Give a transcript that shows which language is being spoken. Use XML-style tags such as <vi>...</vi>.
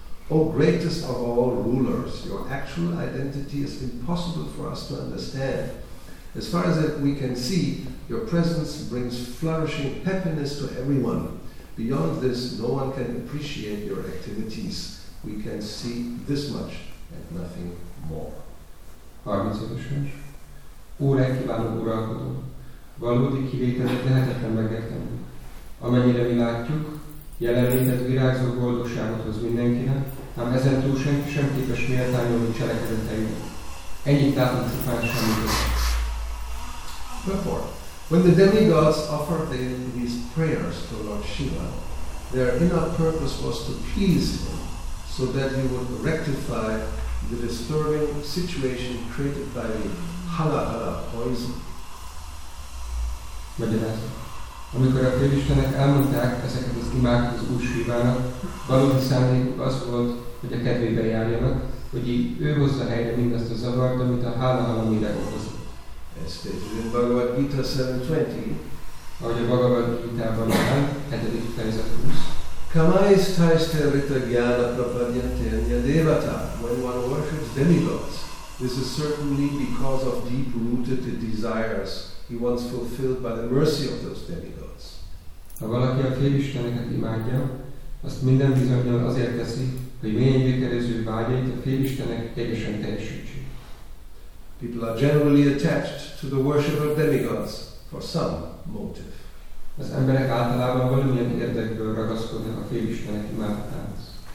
<en>O greatest of all rulers, your actual identity is impossible for us to understand. As far as we can see, your presence brings flourishing happiness to everyone. Beyond this, no one can appreciate your activities. We can see this much and nothing more.</en> <hu>35-ös vers. Ó, legkívánó uralkodó! Valódi kivételet lehetetlen megérteni. Amennyire mi látjuk, jelenléted virágzó boldogságot hoz mindenkinek, ám ezen túl senki sem képes méltányolni cselekedeteinket. Ennyit látunk csupán semmiből.</hu> <en>Therefore, when the demigods offered these prayers to Lord Shiva, their inner purpose was to please him so that he would rectify the disturbing situation created by the halahala poison.</en> <hu>Magyarázat. Amikor a félistenek elmondták ezeket az imákat az Úr Sivának, valódi szándékuk az volt, hogy a kedvébe járjanak, hogy ő hozza helyre mindezt a zavart, amit a halahala méreg okozott.</hu> <en>Ez stated in Bhagavad Gita 7.20.</en> <hu>Ahogy a Bhagavad Gita-ban áll, 7. fejezet 20.</hu> <sa>Kamais taiste rita gyana prapadyante anya devata.</sa> <en>When one worships demigods, this is certainly because of deep-rooted desires he wants fulfilled by the mercy of those demigods.</en> <hu>Ha valaki a félisteneket imádja, azt minden bizonnyal azért teszi, hogy mélyen gyökerező vágyait a félistenek egyesen teljesítsék.</hu> <en>People are generally attached to the worship of demigods for some motive.</en> <hu>Az emberek általában valamilyen érdekből ragaszkodnak a félistenek imádatához.</hu>